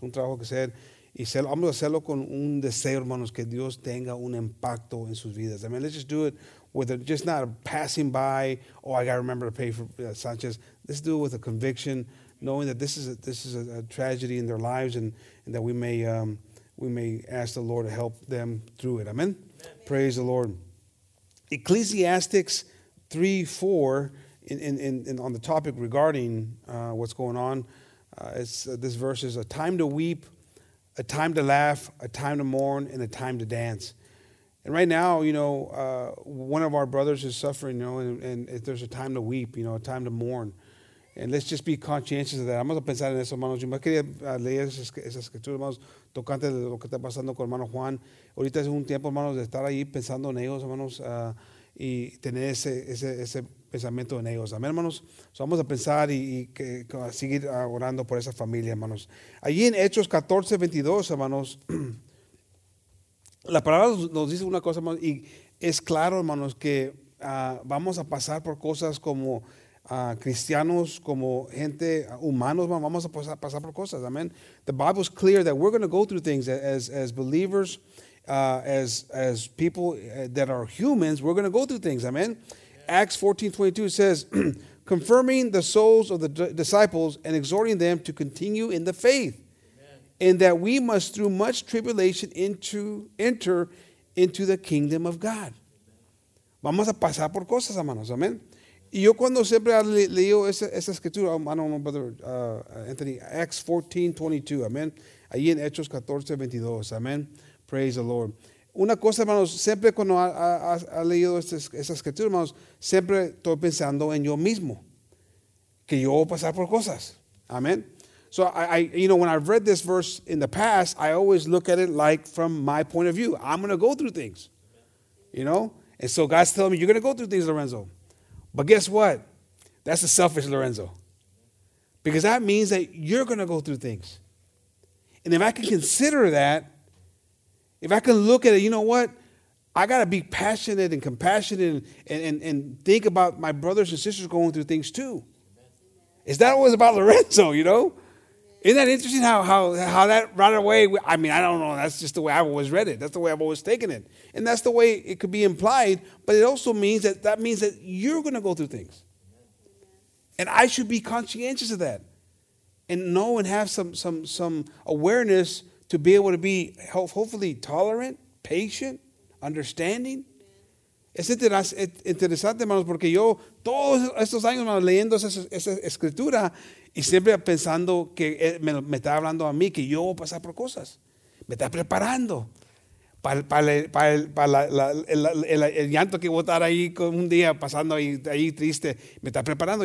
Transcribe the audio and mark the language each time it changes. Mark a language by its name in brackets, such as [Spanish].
[Spanish] Un trabajo que hacer, y vamos a hacerlo con un deseo, hermanos, que Dios tenga un impacto en sus vidas. Amen. [English] Let's just do it with just not passing by. Oh, I got to remember to pay for Sanchez. Let's do it with a conviction, knowing that this is a tragedy in their lives, and that we may ask the Lord to help them through it. Amen. Praise the Lord. Ecclesiastics 3:4, in on the topic regarding what's going on, This verse is a time to weep, a time to laugh, a time to mourn, and a time to dance. And right now, you know, one of our brothers is suffering, you know, and if there's a time to weep, you know, a time to mourn. And let's just be conscientious of that. [Spanish] Vamos a pensar en eso, hermanos. Yo me quería leer esa escritura, hermanos, tocante de lo que está pasando con hermano Juan. Ahorita es un tiempo, hermanos, de estar ahí pensando en ellos, hermanos, y tener ese pensamiento en ellos. Amén, hermanos. So vamos a pensar y seguir orando por esa familia, hermanos. Allí en Hechos 14:22, hermanos, la palabra nos dice una cosa, hermanos, y es claro, hermanos, que vamos a pasar por cosas como cristianos, como gente humanos, hermanos, vamos a pasar por cosas. Amén. [English] The Bible is clear that we're going to go through things as believers, as people that are humans, we're going to go through things. Amén. Acts 14:22 says, confirming the souls of the disciples and exhorting them to continue in the faith, and that we must through much tribulation enter into the kingdom of God. [Spanish] Vamos a pasar por cosas, hermanos. Amén. Y yo cuando siempre leo esa escritura, hermano, [English] brother Anthony, [Spanish] Acts 14:22, amén. Ahí en Hechos 14:22, amén. [English] Praise the Lord. [Spanish] Una cosa, hermanos, siempre cuando ha leído esa escritura, hermanos, siempre estoy pensando en yo mismo, que yo voy a pasar por cosas. Amén. [English] So, I you know, when I've read this verse in the past, I always look at it like from my point of view. I'm going to go through things, you know. And so God's telling me, you're going to go through things, Lorenzo. But guess what? That's a selfish Lorenzo. Because that means that you're going to go through things. And if I can consider that, if I can look at it, you know what? I got to be passionate and compassionate and think about my brothers and sisters going through things too. Is that always about Lorenzo, you know? Isn't that interesting how that right away, I mean, I don't know, that's just the way I've always read it. That's the way I've always taken it. And that's the way it could be implied, but it also means that you're going to go through things. And I should be conscientious of that and know and have some awareness to be able to be hopefully tolerant, patient, understanding. [Spanish] Es interesante, hermanos, porque yo todos estos años, hermanos, leyendo esa escritura, y siempre pensando que me está hablando a mí, que yo voy a pasar por cosas. Me está preparando para el llanto que voy a estar ahí un día pasando ahí triste. Me está preparando.